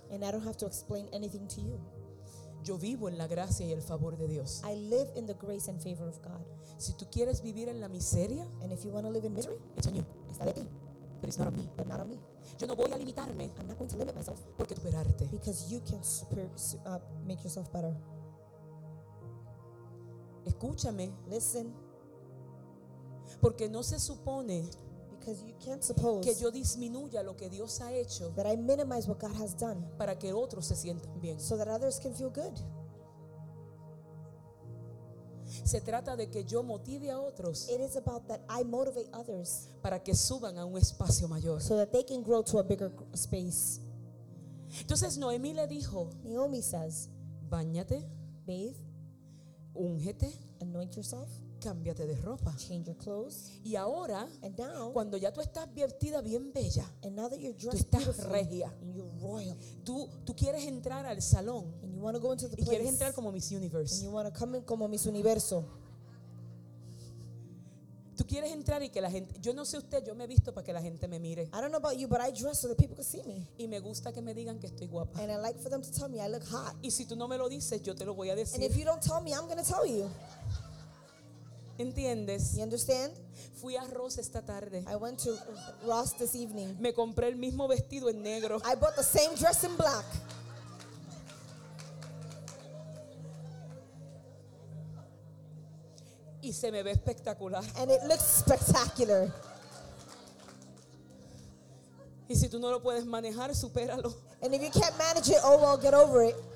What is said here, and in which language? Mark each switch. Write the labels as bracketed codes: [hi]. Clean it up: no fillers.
[en] And I don't have to explain anything to you. [es] Yo vivo en la gracia y el favor de Dios. [en] I live in the grace and favor of God. [es] Si tú quieres vivir en la miseria, [en] and if you want to live in misery, it's on you. [es] Está de ti. [en] But it's not on me. But not on me. [es] Yo no voy a limitarme. [en] I'm not going to limit myself. [es] Porque superarte. [en] Because you can super, make yourself better. [es] Escúchame. [en] Listen. [es] Porque no se supone, [en] because you can't suppose, [es] que yo disminuya lo que Dios ha hecho, [en] that I minimize what God has done, [es] para que otros se sientan bien, [en] so that others can feel good. [es] Se trata de que yo motive a otros, [en] it is about that I motivate others, [es] para que suban a un espacio mayor, [en] so that they can grow to a bigger space. [es] Entonces Noemí le dijo, [en] Naomi says, [es] báñate, [en] bathe, [es] úngete, [en] anoint yourself, [es] cámbiate de ropa, [en] change your clothes, [es] y ahora, [en] and now, [es] cuando ya tú estás vestida bien bella, [en] and now that you're dressed, [es] tú estás regia, [en] and you're royal, [es] tú quieres entrar al salón, [en] and you want to go into the place, [es] y quieres entrar como Miss Universe, [en] and you want to come in como Miss Universo. [es] Tú quieres entrar y que la gente, yo no sé usted, yo me he visto para que la gente me mire. [en] I don't know about you, but I dress so that people can see me. [es] Y me gusta que me digan que estoy guapa. [en] And I like for them to tell me I look hot. [es] Y si tú no me lo dices, yo te lo voy a decir. [en] And if you don't tell me, I'm going to tell you. [es] ¿Entiendes? [en] You understand? [es] Fui a Ross esta tarde. [en] I went to Ross this evening. [es] Me compré el mismo vestido en negro. [en] I bought the same dress in black. [es] Y se me ve espectacular. [en] And it looks spectacular. [es] Y si tú no lo puedes manejar, supéralo. [en] And if you can't manage it, oh well, get over it.